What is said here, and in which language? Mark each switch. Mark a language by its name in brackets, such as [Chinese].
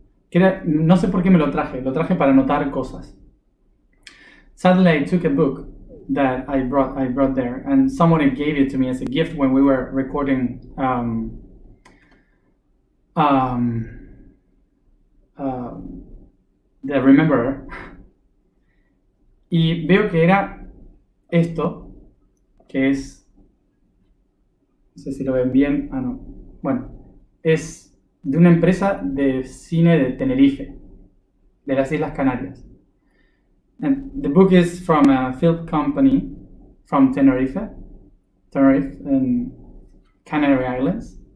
[Spanish] Que era, no sé por qué me lo traje para anotar cosas. [English] Suddenly I took a book that I brought there and someone gave it to me as a gift when we were recording The Rememberer. [Spanish] Y veo que era esto, que es, no sé si lo ven bien, ah, no, bueno, es de una empresa de cine de Tenerife, de las Islas Canarias. [English] And the book is from a film company from Tenerife and Canary Islands.